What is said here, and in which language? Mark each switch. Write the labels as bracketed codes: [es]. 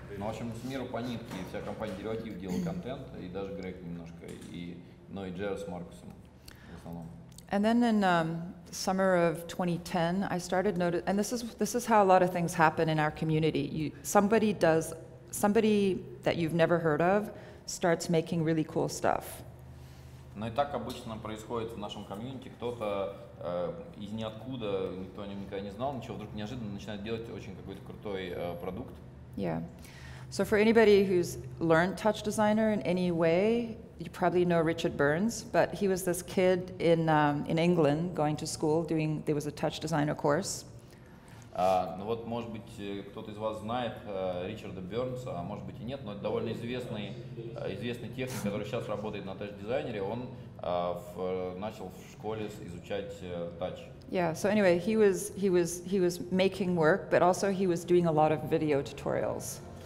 [ru] Ну, в общем, с миру по нитке, вся компания Derivative делала контент, и даже Грег немножко, и Джерард с Маркусом в основном. [en] And then in summer of 2010, I started noticing, and this is how a lot of things happen in our community. Somebody that you've never heard of starts making really cool stuff. [ru] Ну и так обычно происходит в нашем комьюнити, кто-то из ниоткуда, никто о нем никогда не знал, ничего, вдруг неожиданно начинает делать очень какой-то крутой продукт. [en] Yeah. So for anybody who's learned TouchDesigner in any way, you probably know Richard Burns, but he was this kid in England going to school doing, there was a TouchDesigner course. [ru] Ну вот, может быть, кто-то из вас знает Ричарда Бёрнса, а может быть и нет, но это довольно известный техник, который сейчас работает на TouchDesigner, он начал в школе изучать Touch. [en] Yeah, so anyway, he was making work, but also he was doing a lot of video tutorials.